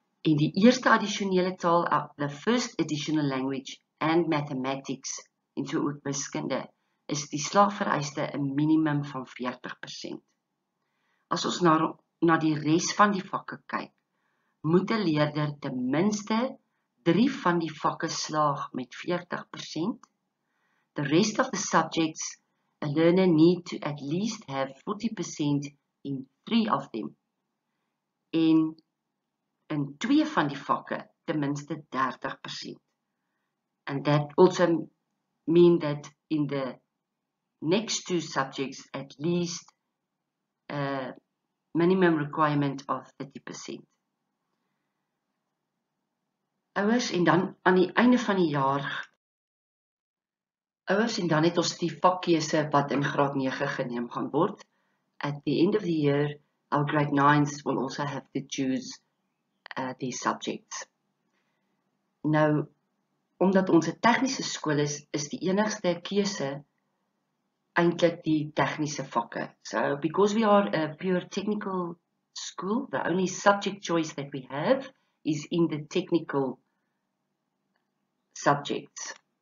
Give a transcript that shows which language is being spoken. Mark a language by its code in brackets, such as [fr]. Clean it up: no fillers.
[af] En die eerste addisionele taal, [en] the first additional language and mathematics, [af] en so ook wiskunde, is die slaagvereiste 'n minimum van 40%. As ons na die res van die vakke kyk, moet 'n leerder ten minste 3 van die vakke slaag met 40%. [en] The rest of the subjects, a learner need to at least have 40% in 3 of them. [af] En in 2 van die vakke, ten minste 30%. [en] And that also mean that in the next 2 subjects, at least a minimum requirement of 30%. [af] Ouers, en dan aan die einde van die jaar, ouers, en dan het ons die vakkeuse wat in graad 9 geneem gaan word. [en] At the end of the year, our grade 9s will also have to choose these subjects. [af] Nou, omdat ons 'n tegniese skool is, is die enigste keuse eintlik die tegniese vakke. [en] So, because we are a pure technical school, the only subject choice that we have is in the technical subjects.